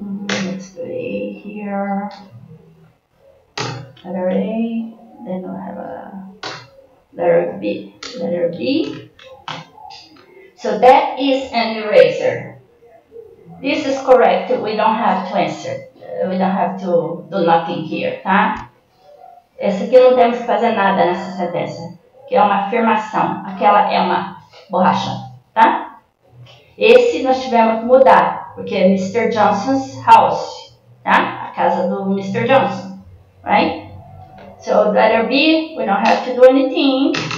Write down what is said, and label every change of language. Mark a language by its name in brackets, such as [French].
[English] Let's do A here. Letter A. Then we'll have a letter B. Letter B. So that is an eraser. This is correct. We don't have to answer. We don't have to do nothing here, tá? [Portuguese] Esse aqui não temos que fazer nada nessa sentença. Que é uma afirmação. Aquela é uma borracha, tá? Esse nós tivemos que mudar, porque é Mr. Johnson's house, tá? A casa do Mr. [English] Johnson, right? So, letter B, we don't have to do anything.